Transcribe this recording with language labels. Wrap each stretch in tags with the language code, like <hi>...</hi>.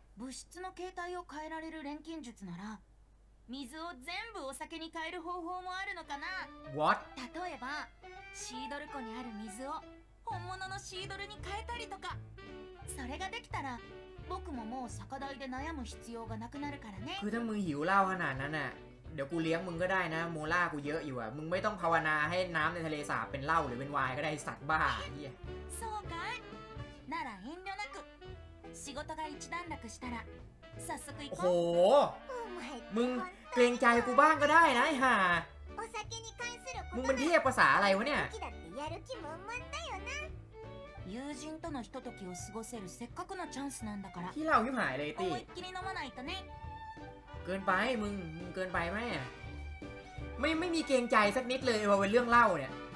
<ja>物質の形態を変えられる錬金術なら水を全部お酒に変える方法もあるのかな</ja> <en>What?</en> <ja>例えばシードル湖にある水を本物のシードルに変えたりとかそれができたら僕ももう酒代で悩む必要がなくなるからね</ja> <th>คือถ้ามึงหิวเหล้าขนาดนั้นน่ะเดี๋ยวกูเลี้ยงมึงก็ได้นะโมล่ากูเยอะอยู่อ่ะมึงไม่ต้องภาวนาให้น้ำในทะเลสาบเป็นเหล้าหรือเป็นไวน์ก็ได้สัตว์บ้าเหี้ย</th> <ja>そうかいなら遠慮なく仕事が一段落したら早速行こう。</ja> <th>โอ้โหมึงเกรงใจกูบ้างก็ได้นะฮ่า</th> <ja>お酒に関すること</ja> <th>มึงมันเทียบภาษาอะไรวะเนี่ย</th> <ja>やる気満々だよな友人とのひとときを過ごせるせっかくのチャンスなんだから</ja> <th>ที่เราอยู่หายเลยติ</th> <ja>思いっきり飲まないとね</ja> <th>เกินไปมึงเกินไปไหมไม่มีเกรงใจสักนิดเลยพอเป็นเรื่องเล่าเนี่ย</th>